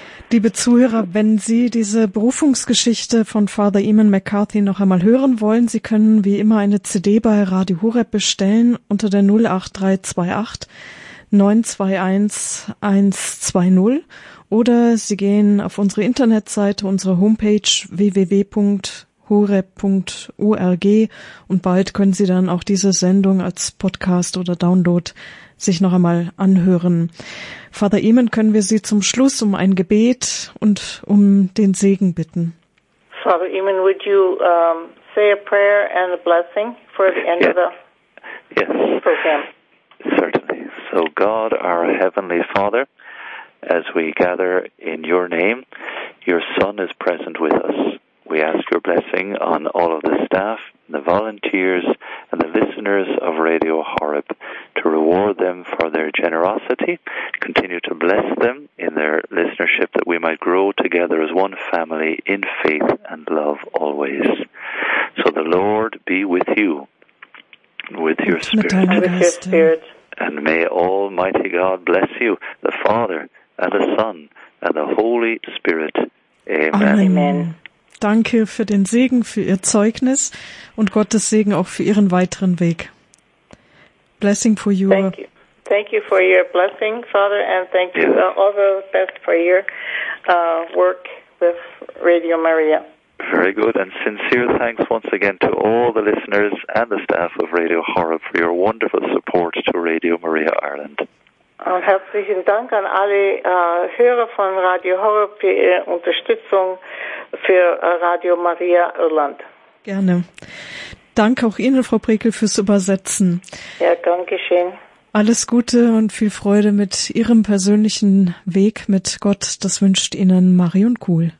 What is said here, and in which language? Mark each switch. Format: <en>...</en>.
<de>Liebe Zuhörer, wenn Sie diese Berufungsgeschichte von Father Eamon McCarthy noch einmal hören wollen, Sie können wie immer eine CD bei Radio Horeb bestellen unter der 08328 921120 oder Sie gehen auf unsere Internetseite, unsere Homepage www.horeb.org und bald können Sie dann auch diese Sendung als Podcast oder Download sich noch einmal anhören. Father Eamon, können wir Sie zum Schluss um ein Gebet und um den Segen bitten?</de> <en>Father Eamon, would you say a prayer and a blessing for the end of the program? Certainly. So God, our Heavenly Father, as we gather in your name, your Son is present with us. We ask your blessing on all of the staff, the volunteers, and the listeners of Radio Horeb to reward them for their generosity, continue to bless them in their listenership that we might grow together as one family in faith and love always. So the Lord be with you, with your spirit. And may Almighty God bless you, the Father, and the Son, and the Holy Spirit. Amen. Amen.</en> <de>Danke für den Segen, für Ihr Zeugnis und Gottes Segen auch für Ihren weiteren Weg.</de> <en>Blessing for you. Thank you. Thank you for your blessing, Father, and thank you all the best for your work with Radio Maria. Very good, and sincere thanks once again to all the listeners and the staff of Radio Horeb for your wonderful support to Radio Maria Ireland.</en> <de>Und herzlichen Dank an alle Hörer von Radio Horeb für Ihre Unterstützung für Radio Maria Irland. Gerne. Danke auch Ihnen, Frau Prekel, fürs Übersetzen. Ja, gern geschehen. Alles Gute und viel Freude mit Ihrem persönlichen Weg mit Gott. Das wünscht Ihnen Marion Kuhl.</de>